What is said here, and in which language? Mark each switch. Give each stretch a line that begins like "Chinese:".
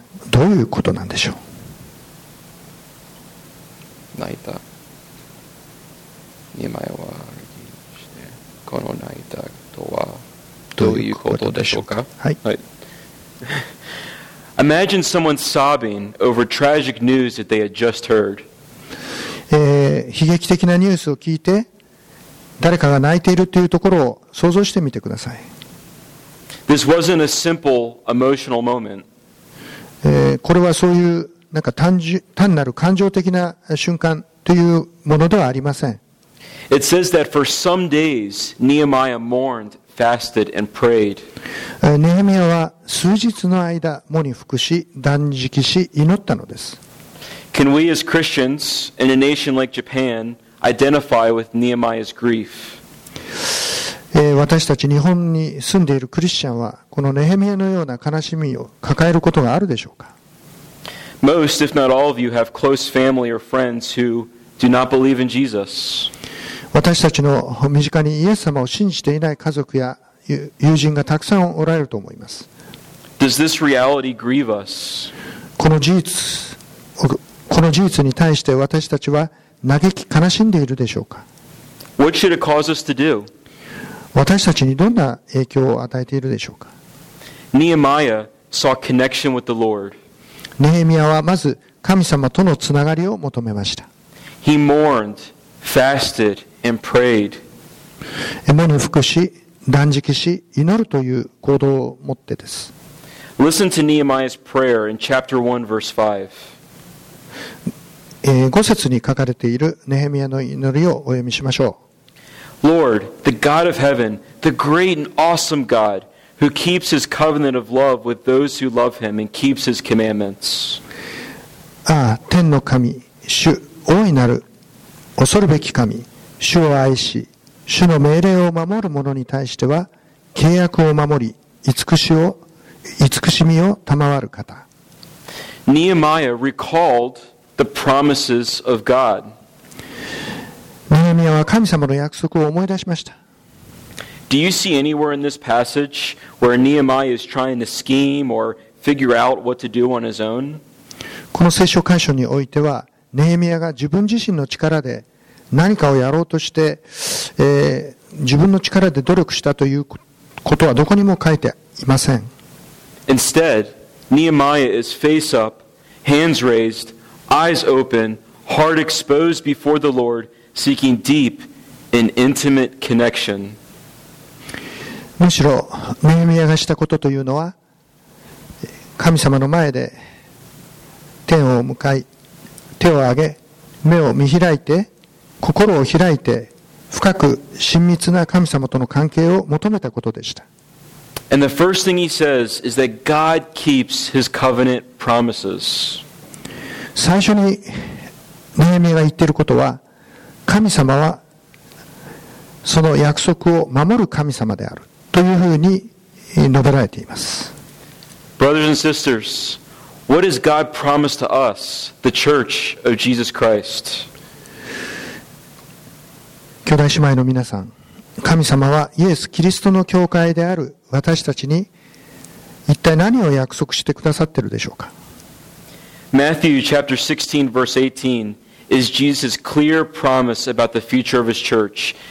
Japanese: どういうことなんでしょう。泣いた。ネヘミヤは嘆きしてこの泣いたとはということでしょうか。はい。
English: Imagine someone sobbing over tragic news that they had just heard.
Japanese: 悲劇的なニュースを聞いて誰かが泣いているというところを想像してみてください。
English: This wasn't a simple emotional moment.
Japanese: これはそういうなんか単なる感情的な瞬間というものではありません。
English: It says that for some days Nehemiah mourned. Fasted and prayed.
Japanese: ネヘミヤは数日の間、喪に服し、断食し、祈ったのです。
English: Can we as Christians in a nation like Japan identify with Nehemiah's grief?
Japanese: 私たち日本に住んでいるクリスチャンは、このネヘミヤのような悲しみを抱えることがあるでしょうか。
English: Most, if not all of you, have close family or friends who do not believe in Jesus.
Japanese: 私たちの身近にイエス様を信じていない家族や友人がたくさんおられると思います。
English: Does this reality grieve us?
Japanese: この事実に対して私たちは嘆き悲しんでいるでしょうか。
English: What should it cause us to do?
Japanese: 私たちにどんな影響を与えているでしょうか。
English: Nehemiah saw connection with the Lord.
Japanese: ネヘミヤはまず神様とのつながりを求めました。
English: He mourned fasted and prayed.
Japanese: 獲物を服し、断食し、祈るという行動を持ってです。
English: Listen to Nehemiah's prayer in chapter 1, verse 5.
Japanese: 5節に書かれているネヘミヤの祈りをお読みしましょう。
English: Lord, the God of heaven, the great and awesome God, who keeps his covenant of love with those who love him and keeps his commandments.
Japanese: ああ、天の神、主、大いなる、恐るべき神、主を愛し、主の命令を守る者に対しては、契約を守り、慈しみを賜る方。
English: Nehemiah recalled the promises of God.
Japanese: ネヘミヤは神様の約束を思い出しました。
English: Do you see anywhere in this passage where Nehemiah is trying to scheme or figure out what to do on his own?
Japanese: この聖書箇所においては、ネヘミヤが自分自身の力で何かをやろうとして、自分の力で努力したということはどこにも書いていません。
English: Instead, Nehemiah is face up, hands raised, eyes open, heart exposed before the Lord, seeking deep and intimate connection.
Japanese: むしろ、ネヘミヤがしたことというのは、神様の前で天を向かい、手を上げ、目を見開いて、心を開いて、深く親密な神様との関係を求めたことでした。
English: And the first thing he says is that God keeps his covenant promises.
Japanese: 最初にネヘミヤが言っていることは、神様はその約束を守る神様であるというふうに述べられています。
English: Brothers and sisters, what has God promised to us, the Church of Jesus Christ?
Japanese: 兄弟姉妹の皆さん、神様はイエス・キリストの教会である私たちに一体何を約束してくださっているでしょうか。
English: Matthew chapter 16 verse 18 is Jesus' clear promise about the future of his church.